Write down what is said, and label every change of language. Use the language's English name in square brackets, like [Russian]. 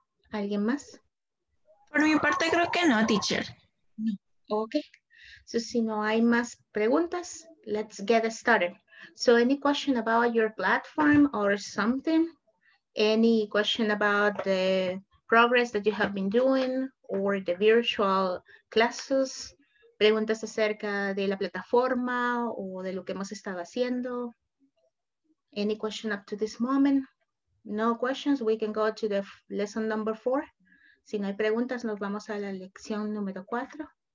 [Spanish] ¿Alguien más? Por mi parte creo que no, teacher. No. Ok. So, si no hay más preguntas, [English] let's get started. So, any question about your platform or something? Any question about the progress that you have been doing or the virtual classes? [Spanish] Preguntas acerca de la plataforma o de lo que hemos estado haciendo? [English] Any question up to this moment? No questions, we can go to the lesson number 4. [Spanish] Si no hay preguntas, nos vamos a la lección número 4.